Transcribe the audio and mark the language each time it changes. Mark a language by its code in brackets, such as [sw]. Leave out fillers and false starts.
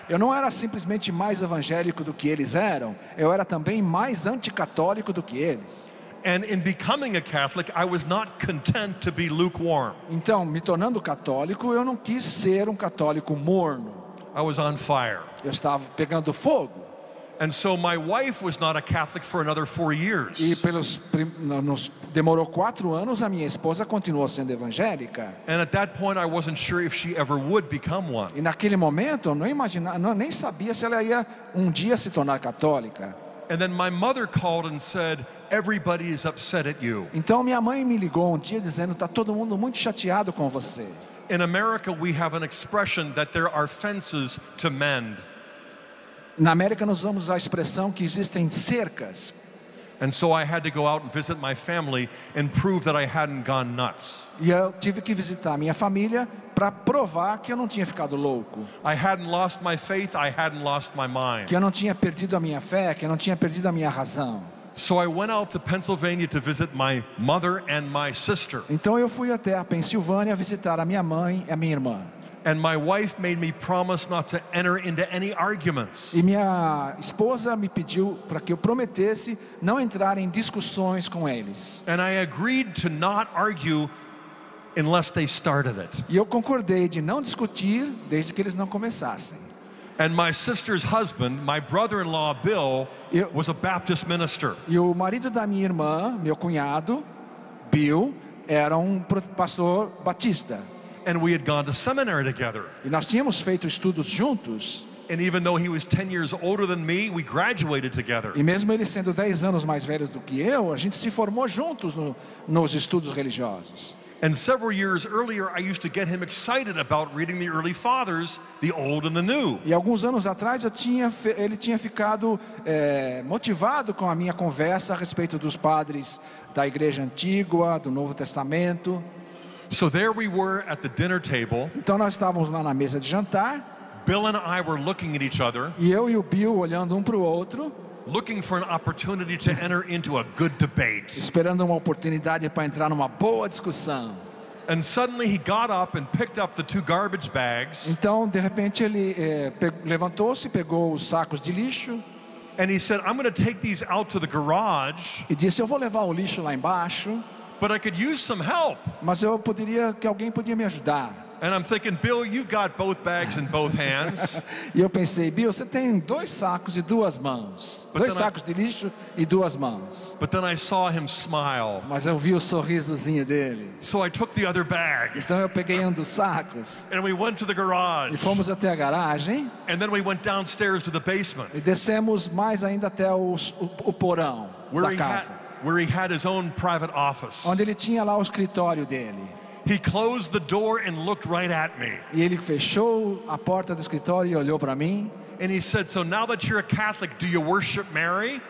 [pt] Eu não era simplesmente mais evangélico do que eles eram, eu era também mais anticatólico do que eles. [en] And in becoming a Catholic, I was not content to be lukewarm. [pt] Então, me tornando católico, eu não quis ser católico morno. [en] I was on fire. [pt] Eu estava pegando fogo. [en] And so my wife was not a Catholic for another 4 years. [pt] E pelos demorou 4 anos, a minha esposa continuou sendo evangélica. [en] And at that point I wasn't sure if she ever would become one. [pt] E naquele momento eu nem sabia se ela ia dia se tornar católica. [en] And then my mother called and said, "Everybody is upset at you." [pt] Então minha mãe me ligou dia dizendo, tá todo mundo muito chateado com você. [en] In America we have an expression that there are fences to mend. [pt] Na América nós usamos a expressão que existem cercas. [en] And so I had to go out and visit my family and prove that I hadn't gone nuts. [pt] E eu tive que visitar minha família para provar que eu não tinha ficado louco. [en] I hadn't lost my faith, I hadn't lost my mind. [pt] Que eu não tinha perdido a minha fé, que eu não tinha perdido a minha razão. [en] So I went out to Pennsylvania to visit my mother and my sister. [pt] Então eu fui até a Pensilvânia visitar a minha mãe e a minha irmã. [en] And my wife made me promise not to enter into any arguments. [pt] E minha esposa me pediu para que eu prometesse não entrar em discussões com eles. [en] And I agreed to not argue unless they started it. [pt] E eu concordei de não discutir desde que eles não começassem. [en] And my sister's husband, my brother-in-law Bill, was a Baptist minister. [pt] E o marido da minha irmã, meu cunhado, Bill, era pastor batista. [en] And we had gone to seminary together. [pt] E nós tínhamos feito estudos juntos. [en] And even though he was 10 years older than me, we graduated together. [pt] E mesmo ele sendo 10 anos mais velho do que eu, a gente se formou juntos nos estudos religiosos. [en] And several years earlier, I used to get him excited about reading the early fathers, the old and the new. [pt] E alguns anos atrás, ele tinha ficado motivado com a minha conversa a respeito dos padres da igreja antiga, do Novo Testamento. [en] So there we were at the dinner table. [pt] Então nós estávamos lá na mesa de jantar. [en] Bill and I were looking at each other. [pt] E eu e o Bill olhando para o outro. [en] Looking for an opportunity to enter into a good debate. [pt] Esperando uma oportunidade para entrar numa boa discussão. [en] And suddenly he got up and picked up the two garbage bags. [pt] Então de repente ele levantou-se, pegou os sacos de lixo. [en] And he said, "I'm going to take these out to the garage." [pt] E disse, eu vou levar o lixo lá embaixo. [en] But I could use some help. [pt] Mas eu poderia que alguém podia me ajudar. [en] And I'm thinking, Bill, you got both bags in both hands. [pt] E eu pensei, Bill, você tem dois sacos e duas mãos. Dois sacos de lixo e duas mãos. [en] But then I saw him smile. [pt] Mas eu vi o sorrisozinho dele. [en] So I took the other bag. [pt] Então eu peguei um dos sacos. [en] And we went to the garage. [pt] E fomos até a garagem. [en] And then we went downstairs to the basement. [pt] E descemos mais ainda até o porão da casa. [en] Where he had his own private office. [pt] Onde ele tinha lá o escritório dele. [en] He closed the door and looked right at me. [pt] E ele fechou a porta do escritório e olhou para mim. [en] And he said, "So now that you're a Catholic, do you worship Mary?"